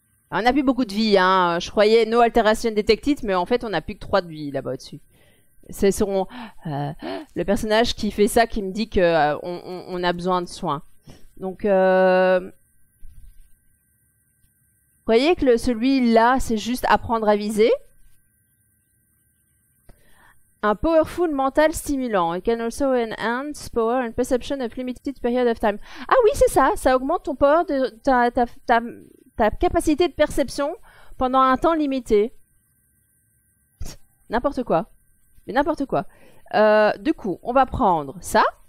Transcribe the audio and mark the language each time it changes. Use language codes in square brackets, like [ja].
[fr] On n'a plus beaucoup de vie, hein. Je croyais [en] no alteration detected, [fr] mais en fait, on n'a plus que 3 de vie là-bas au-dessus. C'est son le personnage qui fait ça, qui me dit que on a besoin de soins. Donc, croyez que celui-là, c'est juste apprendre à viser? [en] Un powerful mental stimulant. It can also enhance power and perception of limited period of time. [fr] Ah oui, c'est ça. Ça augmente ton power, ta capacité de perception pendant un temps limité. N'importe quoi. Mais n'importe quoi. Du coup, on va prendre ça.